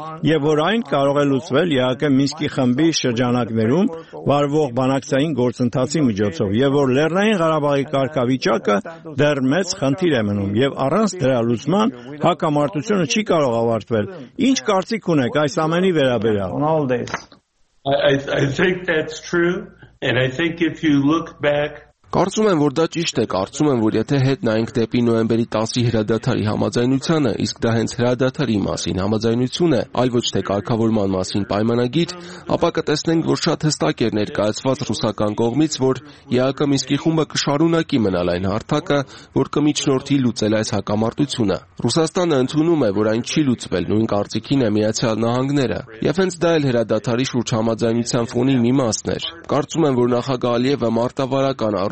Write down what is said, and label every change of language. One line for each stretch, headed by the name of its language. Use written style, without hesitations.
Armenian: և որ այն կարող է լուծվել ԵԱԿ Մինսկի խմբի շրջանակներում վարվող բանակցային գործընթացի միջոցով, և որ Լեռնային Ղարաբաղի կարգավիճակը դեռ մեծ խնդիր է մնում, և առանց դրա լուծման հակամարտությունը չի կարող ավարտվել։ Ինչ կարծիք ունեք այս ամենի վերաբերյալ?
English: I think that's true, and I think if you look back,
Armenian: կարծում եմ, որ դա ճիշտ է, կարծում եմ, որ եթե հետ նայենք դեպի նոյեմբերի 10-ի հրադադարի համաձայնությանը, իսկ դա հենց հրադադարի մասին համաձայնություն է, այլ ոչ թե կարգավորման մասին պայմանագիր, ապա կտեսնենք, որ շատ հստակ էր ներկայացված ռուսական կողմից, որ ԵԱԿ Մինսկի խումբը կշարունակի մնալ այն հարթակը, որ կմիջնորդի լուծել այս հակամարտությունը։ Ռուսաստանը ընդունում է, որ այն չի լուծվել, նույն կարծիքին է Միացյալ Նահանգները, և հենց դա էլ հրադադարի շուրջ համաձայնության ֆոնի մի մասն էր։ Կարծում եմ, որ նախագահ Ալիևը մարտավարական